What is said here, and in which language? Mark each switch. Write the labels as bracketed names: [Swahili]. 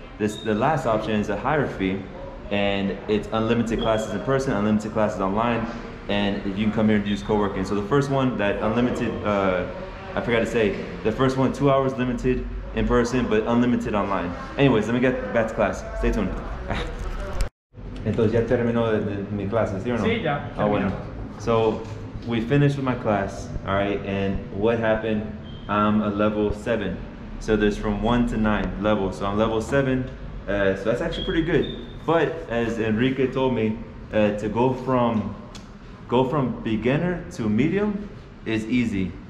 [English] The last option is a higher fee, and it's unlimited classes in person, unlimited classes online, and you can come here and use co-working. So the first one, that unlimited, I forgot to say, the first one, 2 hours limited in person, but unlimited online. Anyways, let me get back to class. Stay tuned. [Spanish] Entonces ya terminó mi clase, ¿sí o no? Sí, ya. Oh, bueno. [English] So we finished with my class, all right? And what happened? I'm a level 7. So there's from 1 to 9 level. So I'm level 7. So that's actually pretty good. But as Enrique told me, to go from beginner to medium is easy.